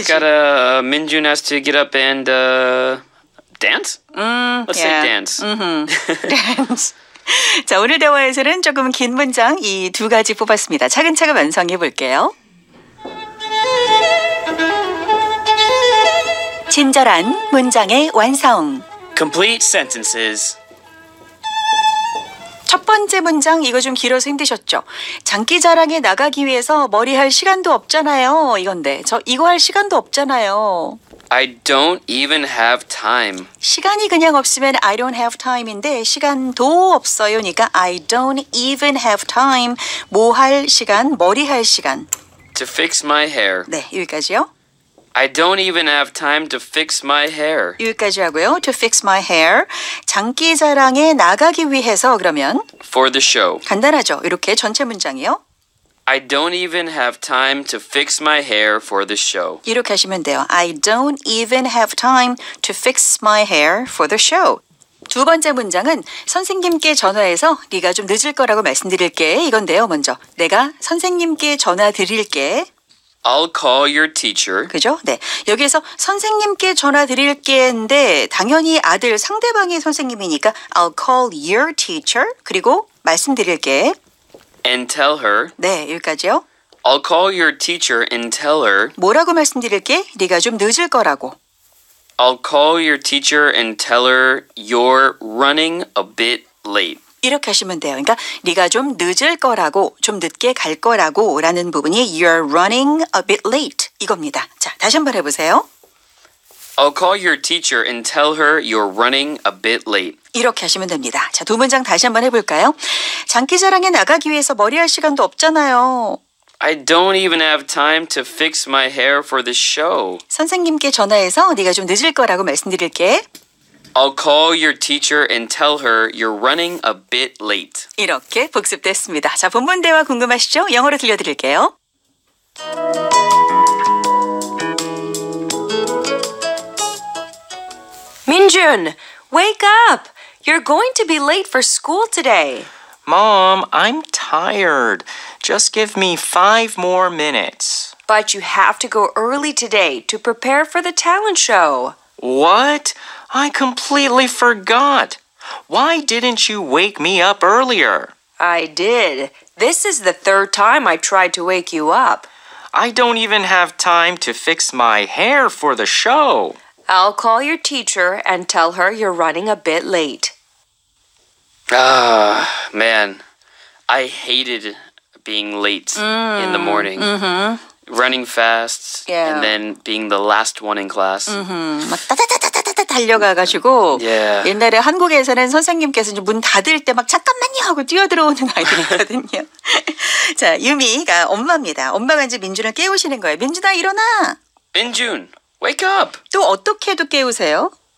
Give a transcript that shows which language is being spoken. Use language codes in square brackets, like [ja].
[en] He's got a Minjun has to get up and dance? Let's say dance. Dance. [ko] 자, 오늘 대화에서는 조금 긴 문장 이 두 가지 뽑았습니다. 차근차근 완성해 볼게요. 친절한 문장의 완성. [en] Complete sentences. [ko] 첫 번째 문장, 이거 좀 길어서 힘드셨죠? 장기자랑에 나가기 위해서 머리 할 시간도 없잖아요, 이건데. 저 이거 할 시간도 없잖아요. [en] I don't even have time. [ko] 시간이 그냥 없으면 [en] I don't have time [ko] 인데 시간도 없어요니까 [en] I don't even have time. [ko] 뭐 할 시간, 머리 할 시간. [en] To fix my hair. [ko] 네, 여기까지요. [en] I don't even have time to fix my hair. [ko] 여기까지 하고요. [en] To fix my hair. [ko] 장기자랑에 나가기 위해서 그러면 [en] For the show. [ko] 간단하죠. 이렇게 전체 문장이요. [en] I don't even have time to fix my hair for the show. [ko] 이렇게 하시면 돼요. [en] I don't even have time to fix my hair for the show. [ko] 두 번째 문장은 선생님께 전화해서 네가 좀 늦을 거라고 말씀드릴게. 이건데요. 먼저 내가 선생님께 전화 드릴게. [en] I'll call your teacher. [ko] 그죠? 네. 여기에서 선생님께 전화 드릴게인데 당연히 아들 상대방이 선생님이니까 [en] I'll call your teacher. [ko] 그리고 말씀드릴게. [en] And tell her. [ko] 네, 여기까지요. [en] I'll call your teacher and tell her. [ko] 뭐라고 말씀드릴게? 네가 좀 늦을 거라고. [en] I'll call your teacher and tell her you're running a bit late. [ko] 이렇게 하시면 돼요. 그러니까 네가 좀 늦을 거라고, 좀 늦게 갈 거라고 라는 부분이 [en] You're running a bit late [ko] 이겁니다. 자, 다시 한번 해보세요. [en] I'll call your teacher and tell her you're running a bit late. [ko] 이렇게 하시면 됩니다. 자, 두 문장 다시 한번 해볼까요? 장기자랑에 나가기 위해서 머리할 시간도 없잖아요. [en] I don't even have time to fix my hair for the show. [ko] 선생님께 전화해서 네가 좀 늦을 거라고 말씀드릴게. [en] I'll call your teacher and tell her you're running a bit late. [ko] 이렇게 복습됐습니다. 자, 본문 대화 궁금하시죠? 영어로 들려드릴게요. [en] Minjun, wake up! You're going to be late for school today. Mom, I'm tired. Just give me 5 more minutes. But you have to go early today to prepare for the talent show. What? I completely forgot. Why didn't you wake me up earlier? I did. This is the third time I tried to wake you up. I don't even have time to fix my hair for the show. I'll call your teacher and tell her you're running a bit late. Ah, man. I hated being late in the morning. Mm-hmm. Running fast, yeah. And then being the last one in class. Mm-hmm. [ko] 막 따다다다다다 달려가가지고 [en] yeah. [ko] 옛날에 한국에서는 선생님께서 이제 문 닫을 때 막 잠깐만요 하고 뛰어들어오는 아이들이거든요. 자, 유미가 엄마입니다. 엄마가 이제 민준을 깨우시는 거예요. 민준아, 일어나! [en] Minjun, wake up! [ko] 또 어떻게 해도 깨우세요?